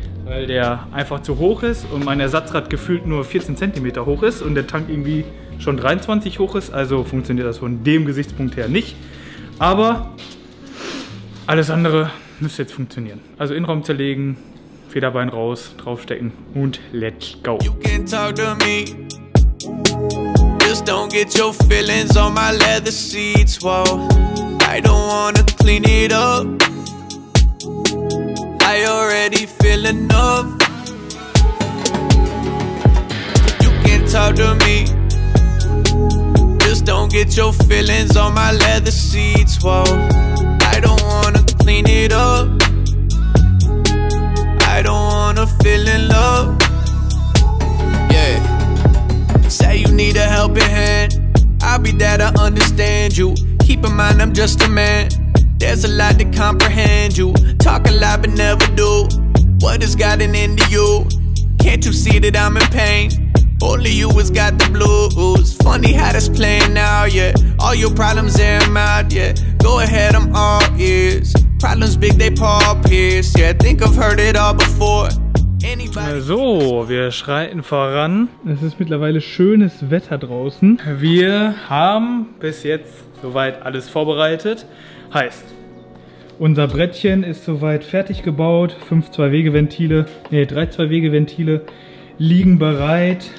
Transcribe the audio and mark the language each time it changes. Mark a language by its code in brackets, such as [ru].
[de] Weil der einfach zu hoch ist und mein Ersatzrad gefühlt nur 14 cm hoch ist und der Tank irgendwie schon 23 hoch ist, also funktioniert das von dem Gesichtspunkt her nicht. Aber alles andere müsste jetzt funktionieren. Also Innenraum zerlegen, Federbein raus, draufstecken und [en] let's go. You can talk to me. Just don't get your feelings on my leather seats, wow. I don't wanna clean it up. I already feel enough. You can talk to me. Just don't get your feelings on my leather seats, whoa. I don't wanna clean it up. I don't wanna feel in love. Yeah. Say you need a helping hand. I'll be there to understand you. Keep in mind I'm just a man. There's a lot to comprehend you. Talk a lot but never do. What has gotten into you? Can't you see that I'm in pain? Only you has got the blues. Funny how that's playing now, yeah. All your problems air them out, yeah. Go ahead, I'm all ears. Problems big, they paw pierce, yeah. Think I've heard it all before. [de] So, wir schreiten voran. Es ist mittlerweile schönes Wetter draußen. Wir haben bis jetzt soweit alles vorbereitet. Heißt, unser Brettchen ist soweit fertig gebaut. 3 Zwei-Wege-Ventile liegen bereit.